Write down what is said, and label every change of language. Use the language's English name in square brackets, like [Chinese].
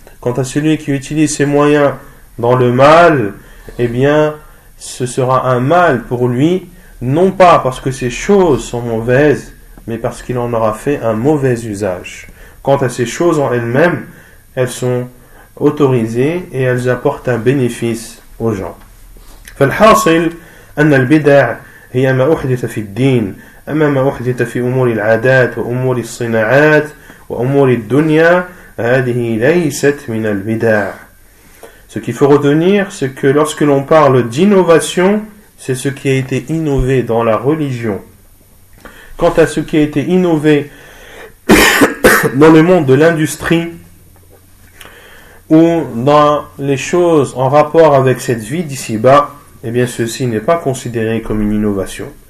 [French] Quant à celui qui utilise ses moyens dans le mal, eh bien, ce sera un mal pour lui, non pas parce que ces choses sont mauvaises, mais parce qu'il en aura fait un mauvais usage. Quant à ces choses en elles-mêmes, elles sont autorisées et elles apportent un bénéfice aux gens. [Arabic] فالحاصل أن البدع هي ما أحدث في الدين أما ما أحدث في أمور العادات وأمور الصناعات وأمور الدنيا هذه ليست من البدع. [French] Ce qu'il faut retenir, c'est que lorsque l'on parle d'innovation, c'est ce qui a été innové dans la religion. Quant à ce qui a été innové dans le monde de l'industrie, ou dans les choses en rapport avec cette vie d'ici-bas, eh bien ceci n'est pas considéré comme une innovation.